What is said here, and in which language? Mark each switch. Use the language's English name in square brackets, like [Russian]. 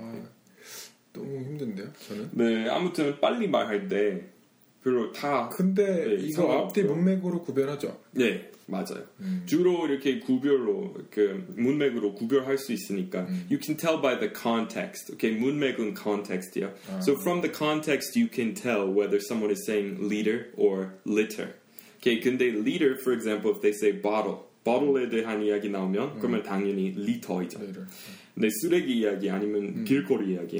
[Korean] 네. 너무 힘든데요, 저는? 네, 아무튼 빨리 말할 때 별로 다. 근데 네, 이거 앞뒤 문맥으로 구별하죠. 네, 맞아요. 주로 이렇게 구별로 그 문맥으로 구별할 수 있으니까. [English] You can tell by the context. Okay, [Korean] 문맥은 context이요. [English] 아, so from the context, you can tell whether someone is saying leader or litter. Okay, [Korean] 근데 [English] leader, for example, if they say bottle. [Korean] Bottle에 대한 이야기 나오면 그러면 당연히 litter이죠. 근데 쓰레기 이야기 아니면 길거리 이야기.